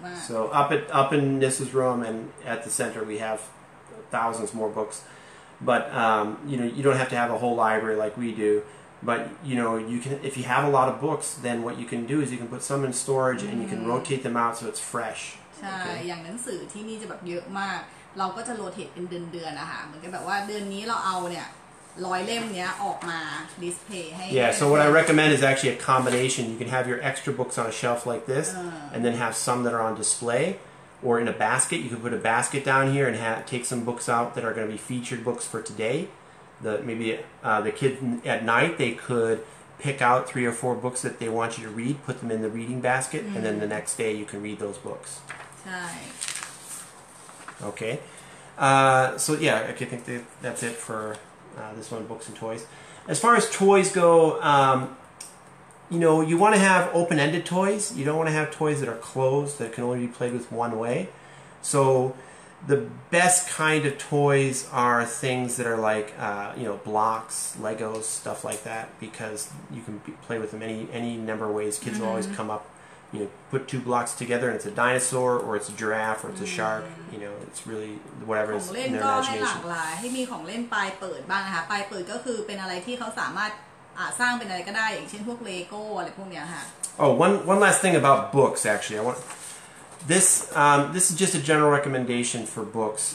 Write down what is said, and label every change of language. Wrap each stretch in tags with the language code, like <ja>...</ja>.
<en>So up in Nissa's room and at the center we have thousands more books. But you know, you don't have to have a whole library like we do. But you know, you can if you have a lot of books, then what you can do is you can put some in storage and you can rotate them out so it's fresh.</en> <th>ใช่</th> <en>okay.</en> <th>อย่างหนังสือที่นี่จะแบบเยอะมากเราก็จะโรเตทเป็นเดือนๆนะคะเหมือนกับแบบว่าเดือนนี้เราเอาเนี่ย100เล่มเนี้ยออกมาดิสเพลย์ให้</th> <en>Yeah, so what I recommend is actually a combination. You can have your extra books on a shelf like this and then have some that are on display or in a basket. You can put a basket down here and take some books out that are going to be featured books for today. Maybe the kid at night, they could pick out 3 or 4 books that they want you to read, put them in the reading basket, and then the next day you can read those books. Okay. I think that's it for this one, books and toys. As far as toys go, you know, you want to have open-ended toys. You don't want to have toys that are closed, that can only be played with one way. So... The best kind of toys are things that are like, you know, blocks, Legos, stuff like that, because you can play with them any number of ways. Kids will always come up, you know, put two blocks together and it's a dinosaur or it's a giraffe or it's a shark, you know, it's really whatever is in their imagination.</en> <th>ของเล่นก็ให้หลากหลายให้มีของเล่นปลายเปิดบ้างนะคะปลายเปิดก็คือเป็นอะไรที่เขาสามารถสร้างเป็นอะไรก็ได้อย่างเช่นพวกเลโก้อะไรพวกเนี้ยค่ะ</th> <en>Oh, one last thing about books, actually. This is just a general recommendation for books.</en>